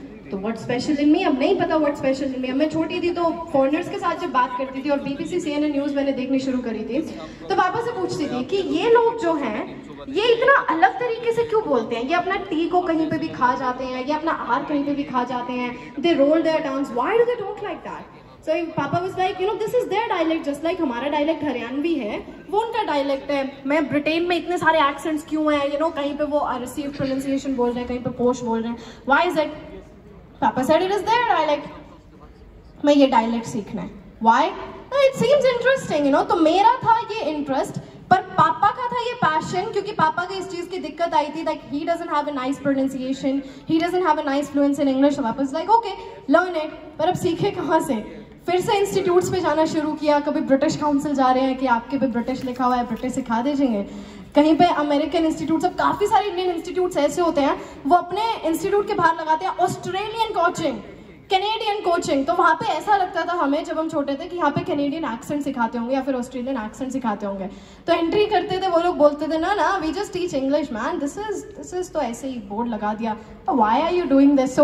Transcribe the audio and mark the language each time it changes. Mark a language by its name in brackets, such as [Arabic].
[Hindi] तो [English] what special in me, [Hindi] अब नहीं पता व्हाट स्पेशल इन मी। अब मैं छोटी थी तो फॉरनर्स के साथ जब बात करती थी और BBC CNN न्यूज मैंने देखनी शुरू करी थी, तो पापा से पूछती थी कि ये लोग जो है ये इतना अलग तरीके से क्यों बोलते हैं, ये अपना टी को कहीं पे भी खा जाते हैं, ये अपना आर कहीं पे भी खा जाते हैं, [English] They roll their tongues, why do they talk like that? So, Papa was like, you know, this is their dialect, just like [Hindi] हमारा dialect हरियाणवी है, वो उनका dialect है। मैं ब्रिटेन में इतने सारे accents क्यों हैं, you know, कहीं पे वो received pronunciation बोल रहे हैं, कहीं पे posh बोल रहे हैं, [English] why is it? Papa said it is their dialect, [Hindi] मैं ये dialect सीखना है, [English] why? No, it seems interesting, you know, [Hindi] तो मेरा था ये interest, पर पापा का था ये passion, क्योंकि पापा को इस चीज की दिक्कत आई थी, [English] like he doesn't have a nice pronunciation, he doesn't have a nice fluency in English, so Papa was like, okay, learn it, [Hindi] पर अब सीखे कहाँ से? फिर से इंस्टीट्यूट्स पे जाना शुरू किया, कभी ब्रिटिश काउंसिल जा रहे हैं कि आपके पे ब्रिटिश लिखा हुआ है, ब्रिटिश सिखा दीजिए, कहीं पे अमेरिकन इंस्टीट्यूट्स, अब काफी सारे इंडियन इंस्टीट्यूट्स ऐसे होते हैं वो अपने इंस्टीट्यूट के बाहर लगाते हैं ऑस्ट्रेलियन कोचिंग, कैनेडियन कोचिंग, तो वहां पे ऐसा लगता था हमें जब हम छोटे थे कि यहाँ पे कैनेडियन एक्सेंट सिखाते होंगे या फिर ऑस्ट्रेलियन एक्सेंट सिखाते होंगे, तो एंट्री करते थे वो लोग बोलते थे ना ना [English] we just teach English man, this is [Hindi] तो ऐसे ही बोर्ड लगा दिया, तो [English] Why are you doing this?